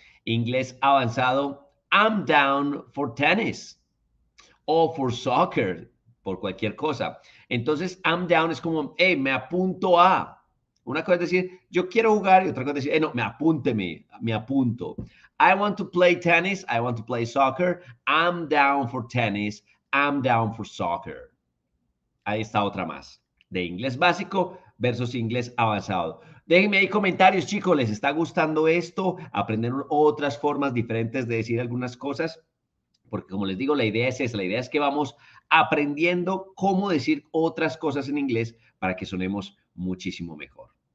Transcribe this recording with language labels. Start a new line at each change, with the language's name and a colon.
Spanish: Inglés avanzado.
English: I'm down for tennis.
Spanish: O
English: for soccer.
Spanish: Por cualquier cosa. Entonces,
English: I'm down
Spanish: es como, hey, me apunto a. Una cosa es decir, yo quiero jugar, y otra cosa es decir, no, me apunto.
English: I want to play tennis, I want to play soccer, I'm down for tennis, I'm down for soccer.
Spanish: Ahí está otra más, de inglés básico versus inglés avanzado. Déjenme ahí comentarios, chicos, ¿les está gustando esto? ¿Aprender otras formas diferentes de decir algunas cosas? Porque como les digo, la idea es esa, la idea es que vamos aprendiendo cómo decir otras cosas en inglés para que sonemos muchísimo mejor.